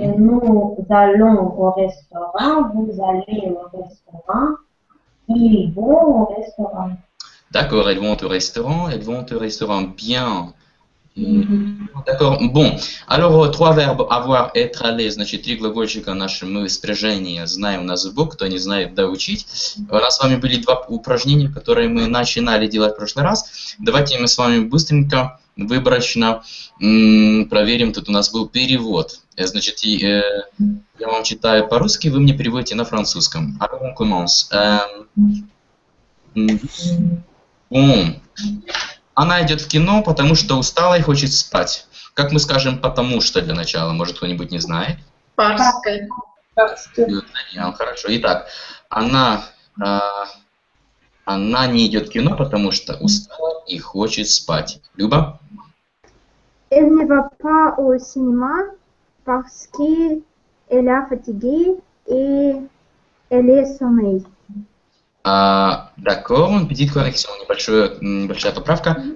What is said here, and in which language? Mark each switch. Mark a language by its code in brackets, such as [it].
[fr] Et nous allons au restaurant, vous allez au restaurant, ils vont au restaurant. D'accord, elles vont au restaurant, elles vont au restaurant bien. D'accord. Bon. Alors, trois verbes avoir, être, aller. [ru] Значит, три глагольчика в нашем спряжении. Знаю, у нас в бок, кто не знает, да учить. У нас с вами были два упражнения, которые мы начинали делать в прошлый раз. Давайте мы с вами быстренько, выборочно проверим. Тут у нас был перевод. Значит, я вам читаю по-русски, вы мне переводите на французском. [fr] Alors, on commence. Bon. [ru] Она идет в кино, потому что устала и хочет спать. Как мы скажем «потому что» для начала? Может, кто-нибудь не знает? Парская. Хорошо. Итак, она не идет в кино, потому что устала и хочет спать. Люба? [fr] Elle ne va pas au cinéma parce qu'elle est fatiguée et elle est sommeil. D'accord, une petite correction, [ru] небольшая поправка.